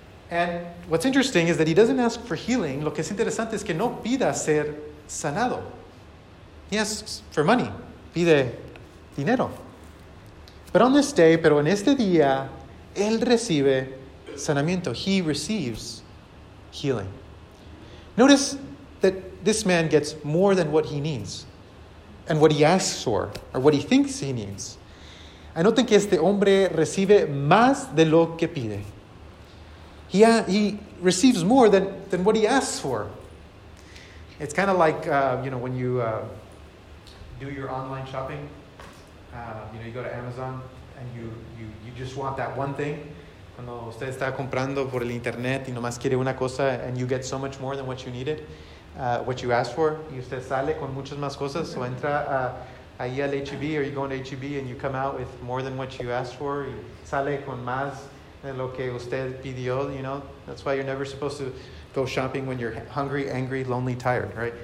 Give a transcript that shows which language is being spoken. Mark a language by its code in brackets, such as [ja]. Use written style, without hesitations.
[en] And what's interesting is that he doesn't ask for healing. [es] Lo que es interesante es que no pida ser sanado. [en] He asks for money. Pide dinero. But on this day, pero en este día, él recibe sanamiento. He receives healing. Notice that this man gets more than what he needs and what he asks for or what he thinks he needs. [es] Anoten que este hombre recibe más de lo que pide. [en] He receives more than what he asks for. It's kind of like, when you do your online shopping, you go to Amazon and you just want that one thing. Cuando usted está comprando por el internet y nomás quiere una cosa, and you get so much more than what you needed, what you asked for, y usted sale con muchas más cosas, so entra ahí al HEB, or you go into HEB and you come out with more than what you asked for, y sale con más de lo que usted pidió, That's why you're never supposed to go shopping when you're hungry, angry, lonely, tired, right?